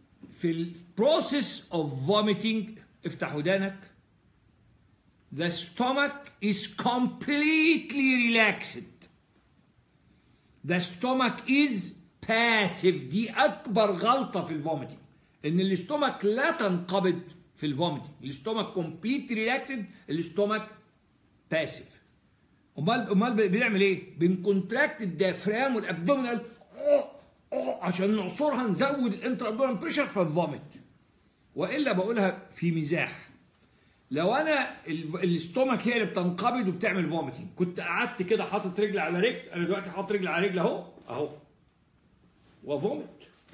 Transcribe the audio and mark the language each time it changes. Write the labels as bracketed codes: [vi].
[en] في البروسيس of vomiting, [ar] افتح ودانك، [en] the stomach is completely relaxed. The stomach is passive. [ar] دي أكبر غلطة في الفوميتنج، إن الاستومك لا تنقبض في الفوميتنج. [en] الاستومك completely relaxed، الاستومك passive. [ar] أمال بنعمل إيه؟ بنكونتراكت الدافرام والأبدومينال عشان نعصرها، نزود الانترا أبدومينال بريشر فالفوميت. وإلا بقولها في مزاح، لو انا الاستومك هي اللي بتنقبض وبتعمل فوميتنج، كنت قعدت كده حاطط رجل على رجل، انا دلوقتي حاطط رجل على رجل اهو اهو وفوميت.